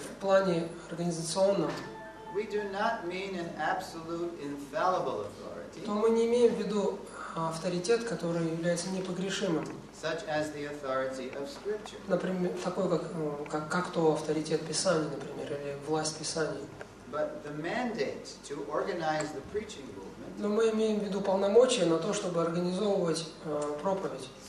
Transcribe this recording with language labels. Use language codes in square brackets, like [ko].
[ru] в плане организационном, [en] we do not mean an absolute infallible authority, [ru] то мы не имеем в виду авторитет, который является непогрешимым, [en] such as the authority of scripture. [ru] Например, такой, как то авторитет Писания, например, или власть Писания. [en] But the mandate to organize the preaching movement, [ru] но мы имеем в виду полномочия на то, чтобы организовывать проповедь.